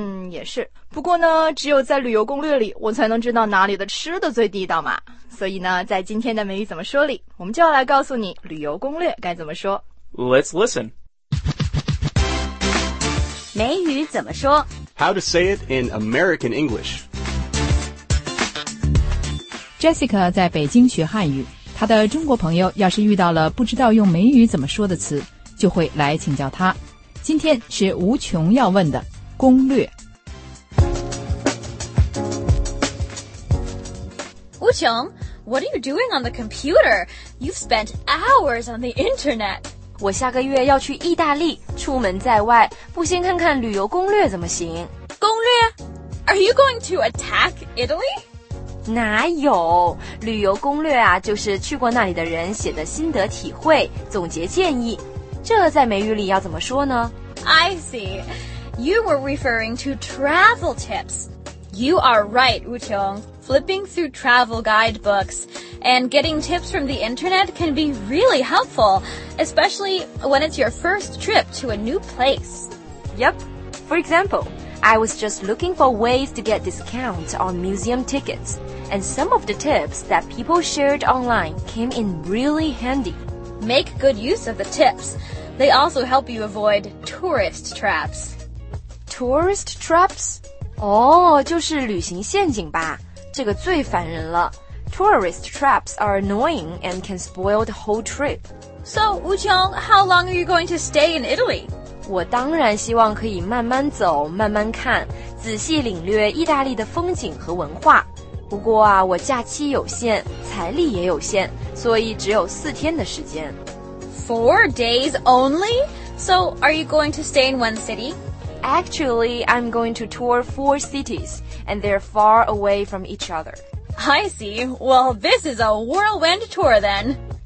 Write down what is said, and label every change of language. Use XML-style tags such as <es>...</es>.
<zh>也是。不过呢，只有在旅游攻略里，我才能知道哪里的吃的最地道嘛。所以呢，在今天的美语怎么说里，我们就要来告诉你旅游攻略该怎么说。</zh> <en>Let's listen.</en> <zh>美语怎么说？</zh> <en>How to say it in American English.</en> <zh>Jessica 在北京学汉语。他的中国朋友要是遇到了不知道用美语怎么说的词，就会来请教他。今天是无穷要问的攻略。</zh> <en>无穷， What are you doing on the computer? You've spent hours on the internet.</en> <zh>我下个月要去意大利，出门在外，不先看看旅游攻略怎么行？攻略？</zh> <en>Are you going to attack Italy?</en> <zh>哪有，旅游攻略啊，就是去过那里的人写的心得体会，总结建议。这在美语里要怎么说呢？</zh> <en>I see. You were referring to travel tips. You are right, Wu Qiong. Flipping through travel guidebooks and getting tips from the internet can be really helpful, especially when it's your first trip to a new place. Yep. For example,I was just looking for ways to get discounts on museum tickets, and some of the tips that people shared online came in really handy. Make good use of the tips. They also help you avoid tourist traps. Tourist traps?</en> <zh>Oh, 就是旅行陷阱吧，这个最烦人了。</zh> <en>Tourist traps are annoying and can spoil the whole trip. So, Wu Qiong, how long are you going to stay in Italy?</en> <zh>我当然希望可以慢慢走，慢慢看，仔细领略意大利的风景和文化。不过啊，我假期有限，财力也有限，所以只有四天的时间。</zh> <en>Four days only? So, are you going to stay in one city? Actually, I'm going to tour four cities, and they're far away from each other. I see. Well, this is a whirlwind tour then.</en>